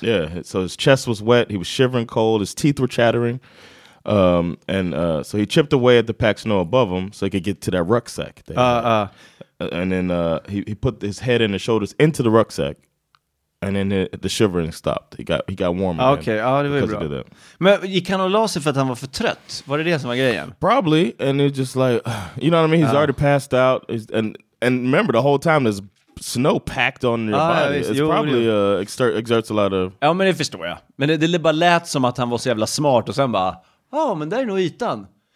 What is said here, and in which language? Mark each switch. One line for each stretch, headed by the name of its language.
English: Yeah, so his chest was wet. He was shivering cold. His teeth were chattering. So he chipped away at the packed snow above him so he could get to that rucksack. And then he put his head and his shoulders into the rucksack, and then the shivering stopped. He got warm again.
Swedish: Okay, det var bra. Det. Men gick han och la sig för att han var för trött? Var det det som var grejen?
English: Probably, and it's just like, you know what I mean? He's already passed out. And remember, the whole time there's snow packed on your body. It probably exerts a lot of...
Swedish: Ja, men det förstår jag. Men det bara lät som att han var så jävla smart, och sen bara, men där är nog ytan.